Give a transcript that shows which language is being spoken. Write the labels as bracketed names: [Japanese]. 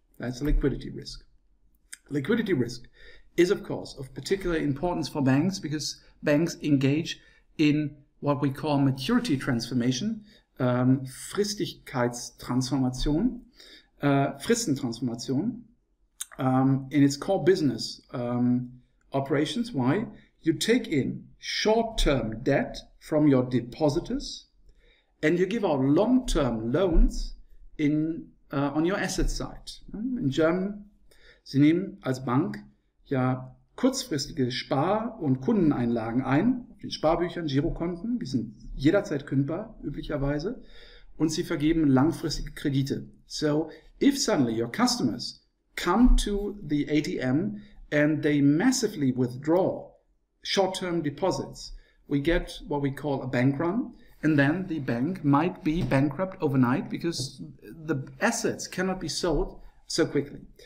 [English] That's liquidity risk. Liquidity risk is, of course, of particular importance for banks because banks engage in what we call maturity transformation, [German] Fristigkeitstransformation, Fristentransformation, [English] in its core business operations. Why? You take in short-term debt from your depositors and you give out long-term loans in on your asset side. In German, [German] Sie nehmen als Bank ja kurzfristige Spar- und Kundeneinlagen ein, auf den Sparbüchern, Girokonten, die sind jederzeit kündbar, üblicherweise, und Sie vergeben langfristige Kredite. [English] So, if suddenly your customers come to the ATM and they massively withdraw short-term deposits, we get what we call a bank run. And then the bank might be bankrupt overnight because the assets cannot be sold so quickly.